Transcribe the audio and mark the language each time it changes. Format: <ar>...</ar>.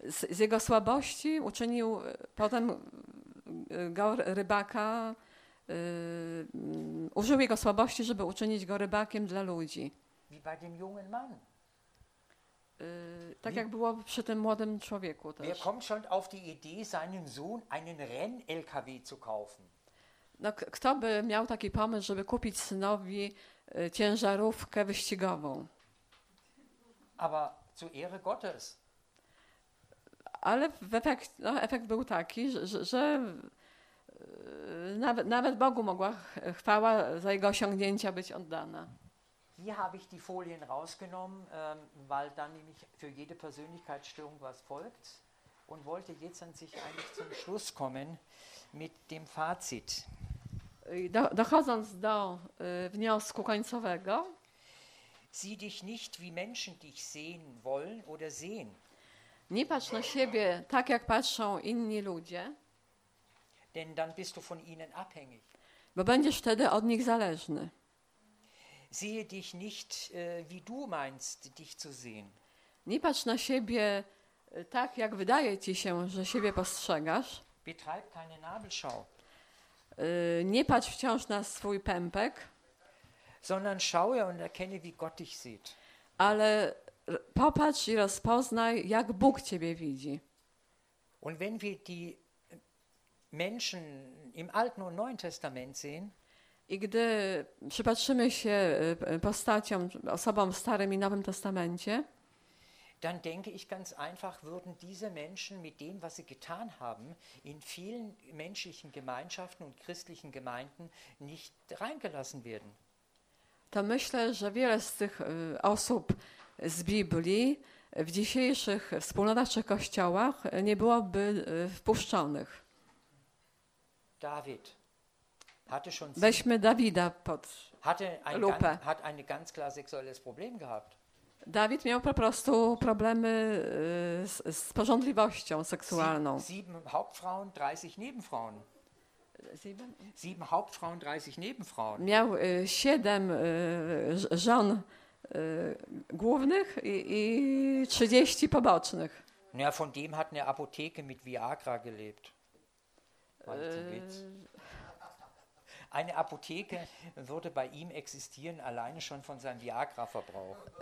<pl>Z jego słabości uczynił potem go rybaka, użył jego słabości, żeby uczynić go rybakiem dla ludzi.</pl> <de>Wie bei dem jungen Mann.</de> <pl>Tak jak było przy tym młodym człowieku też.</pl> <de>Wer kommt schon auf die Idee, seinem Sohn einen Renn-LKW zu kaufen?</de> <pl>No, kto by miał taki pomysł, żeby kupić synowi ciężarówkę wyścigową?</pl> <de>Aber zu Ehre Gottes.</de> <pl>Ale efekt, no, efekt był taki, że nawet Bogu mogła chwała za jego osiągnięcia być oddana.</pl> <de>Hier habe ich die Folien rausgenommen, weil dann nämlich für jede Persönlichkeitsstörung was folgt und wollte jetzt an sich eigentlich zum Schluss kommen mit dem Fazit.</de> <pl>Dochodząc do wniosku końcowego.</pl> <de>Sieh dich nicht wie Menschen dich sehen wollen oder sehen.</de> <pl>Nie patrz na siebie tak, jak patrzą inni ludzie.</pl> <de>Denn dann bist du von ihnen abhängig.</de> <pl>Bo będziesz wtedy od nich zależny.</pl> <de>Sieh dich nicht wie du meinst dich zu sehen.</de> <pl>Nie patrz na siebie tak, jak wydaje ci się, że siebie postrzegasz.</pl> <de>Betreib keine Nabelschau.</de> <pl>Nie patrz wciąż na swój pępek.</pl> <de>Sondern schaue und erkenne, wie Gott dich sieht.</de> <pl>Ale popatrz i rozpoznaj, jak Bóg ciebie widzi.</pl> <de>Und wenn wir die Menschen im Alten und Neuen Testament sehen,</de> <pl>i gdy przypatrzymy się postaciom, osobom w Starym i Nowym Testamencie,</pl> <de>dann denke ich ganz einfach, würden diese Menschen mit dem, was sie getan haben, in vielen menschlichen Gemeinschaften und christlichen Gemeinden nicht reingelassen werden.</de> <pl>To myślę, że wiele z tych osób z Biblii w dzisiejszych wspólnotach czy kościołach nie byłoby wpuszczonych.</pl> <de>David hatte schon</de> <pl>Weźmy Dawida pod</pl> <de>hatte ein</de> <pl>lupę.</pl> <de>Hat ein ganz klar sexuelles Problem gehabt.</de> <pl>Dawid miał po prostu problemy z pożądliwością seksualną.</pl> <de>Sieben Hauptfrauen, 30 Nebenfrauen. Sieben Hauptfrauen, 30 Nebenfrauen.</de> <pl>Miał siedem żon głównych i 30 pobocznych.</pl> <de>Ja, von dem hat eine Apotheke mit Viagra gelebt. Eine Apotheke würde bei ihm existieren, alleine schon von seinem Viagra-Verbrauch.</de>